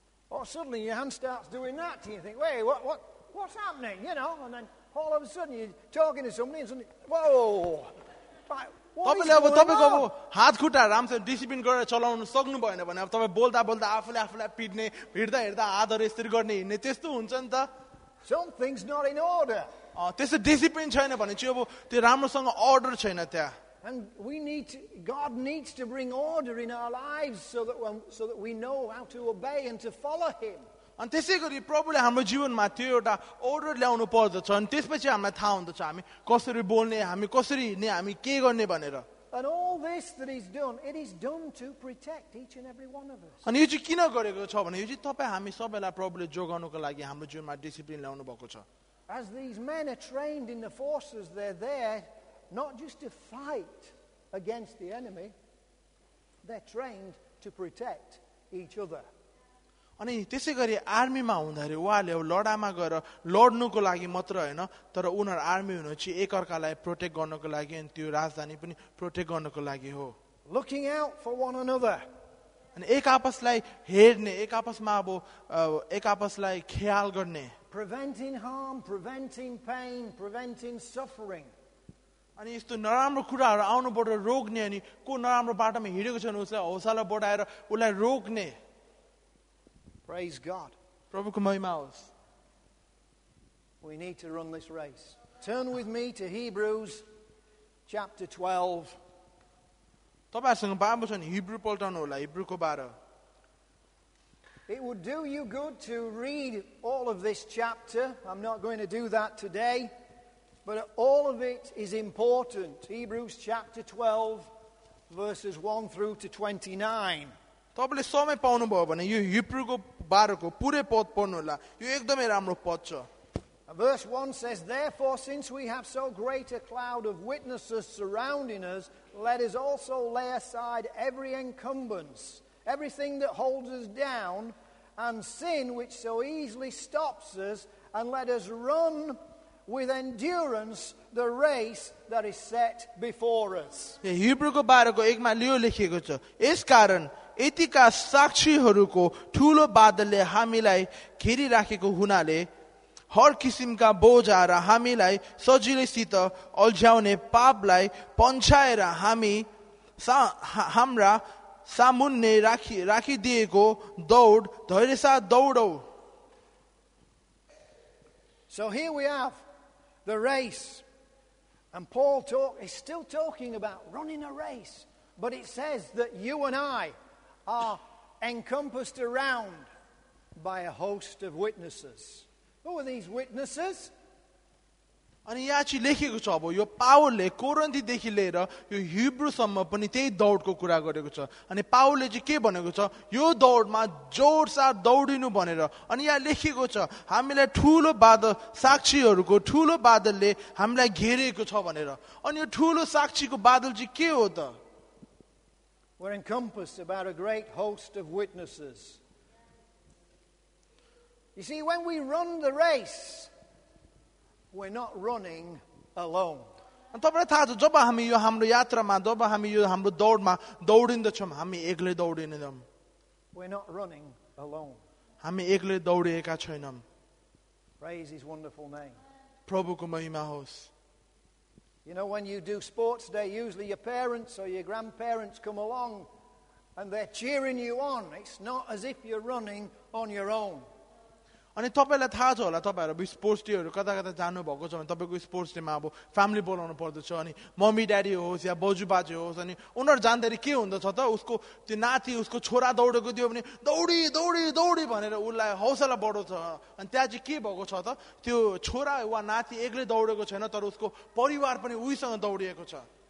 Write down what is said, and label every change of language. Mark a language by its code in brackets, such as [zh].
[en] Or suddenly your hand starts doing that. And you think, wait, what's happening? You know. And then all of a sudden you're talking to somebody and suddenly, whoa. Right. [ne] तपाईँले अब तपाईँको अब हात खुट्टा राम्रो discipline गरेर चलाउन सक्नु भएन भने अब तपाईँ बोल्दा बोल्दा आफूले आफूलाई पिट्ने हिँड्दा हिँड्दा हातहरू यस्तरी गर्ने हिँड्ने त्यस्तो हुन्छ नि त [en] Something's not in order. [ne] त्यस्तो डिसिप्लिन छैन भने चाहिँ अब त्यो राम्रोसँग अर्डर छैन त्यहाँ [en] And we need to, God needs to bring order in our lives so that we know how to obey and to follow him. [ne] अनि त्यसै गरी प्रभुले हाम्रो जीवनमा त्यो एउटा अर्डर ल्याउनु पर्दछ अनि त्यसपछि हामीलाई थाहा हुँदछ हामी कसरी बोल्ने हामी कसरी हिँड्ने हामी के गर्ने भनेर [en] And all this that he's done, it is done to protect each and every one of us. [ne] अनि यो चाहिँ किन गरेको छ भने यो चाहिँ तपाई हामी सबैलाई प्रभुले जोगाउनको लागि हाम्रो जीवनमा डिसिप्लिन ल्याउनु भएको छ [en] As these men are trained in the forces, they're there not just to fight against the enemy, they're trained to protect each other. [ne] अनि त्यसै गरी आर्मीमा हुँदाखेरि उहाँले अब लडामा गएर लड्नुको लागि मात्र होइन तर उनीहरू आर्मी हुनु चाहिँ एकअर्कालाई प्रोटेक्ट गर्नको लागि अनि त्यो राजधानी पनि प्रोटेक्ट गर्नको लागि हो [en] looking out for one another [ne] अनि एक आपसलाई हेर्ने एक आपसमा अब एक आपसलाई ख्याल गर्ने [en] preventing harm preventing pain preventing suffering [ne] अनि यस्तो नराम्रो कुराहरू आउनुबाट रोक्ने अनि को नराम्रो बाटोमा हिँडेको छ भने उसलाई हौसला बढाएर उसलाई रोक्ने [en] Praise God. [ne] Prabhu Kumai Maus. [en] We need to run this race. Turn with me to Hebrews chapter 12. [ne] तपाईहरुसँग Bible छ नि हिब्रू पल्टाउनु होला हिब्रूको 12. [en] It would do you good to read all of this chapter. I'm not going to do that today. But all of it is important. Hebrews chapter 12 verses 1 through to 29. [ne] तपाईँले समय पाउनुभयो भने यो हिब्रूको 12 पुरै पद पढ्नु होला यो एकदमै राम्रो पद छ [en] Verse 1 says, Therefore, since we have so great a cloud of witnesses surrounding us, let us also lay aside every encumbrance, everything that holds us down, and sin which so easily stops us, and let us run with endurance the race that is set before us. [ne] यो हिब्रूको 12 एकमा लियो लेखिएको छ यसकारण यतिका साक्षीहरूको ठूलो बादलले हामीलाई घेरिराखेको हुनाले हर किसिमका बोझा र हामीलाई सजिलैसित अल्झ्याउने पापलाई पन्छाएर हामी हाम्रा सामुन्ने राखिदिएको दौड धैर्यसाथ दौडौ [en] So here we have the race. And Paul is still talking about running a race. But it says that you and I are encompassed around by a host of witnesses. Who are these witnesses? [ne] अनि यहाँ चाहिँ लेखिएको छ अब यो पावलले कोरन्थीदेखि लिएर यो हिब्रूसम्म पनि त्यही दौडको कुरा गरेको छ अनि पावलले चाहिँ के भनेको छ यो दौडमा जोरसार दौडिनु भनेर अनि यहाँ लेखिएको छ हामीलाई ठूलो बादल साक्षीहरूको ठूलो बादलले हामीलाई घेरेको छ भनेर अनि यो ठूलो साक्षीको बादल चाहिँ के हो त [en] We're encompassed about a great host of witnesses. You see, when we run the race, we're not running alone. [ne] अनि तपाईलाई थाहा छ जब हामी यो हाम्रो यात्रामा जब हामी यो हाम्रो दौडमा दौडिँदछौँ हामी एक्लै दौडिँदैनौँ. [en] We're not running alone. [ne] हामी एक्लै दौडिएका छैनौँ. [en] Praise his wonderful name. [ne] प्रभुको महिमा होस्. [en] You know, when you do sports day, usually your parents or your grandparents come along and they're cheering you on. It's not as if you're running on your own. [ne] अनि तपाईँलाई थाहा छ होला तपाईँहरू sports डेहरू कता कता जानुभएको छ भने तपाईँको स्पोर्ट्स डेमा अब फ्यामिली बोलाउनु पर्दछ अनि मम्मी ड्याडी होस् या बोजू बाजे होस् अनि उनीहरू जाँदाखेरि के हुँदछ त उसको त्यो नाति उसको छोरा दौडेको थियो भने दौडी दौडी दौडी भनेर उसलाई हौसला बढाउँछ अनि त्यहाँ चाहिँ के भएको छ त त्यो छोरा वा नाति एक्लै दौडेको छैन तर उसको परिवार पनि उहीसँग दौडिएको छ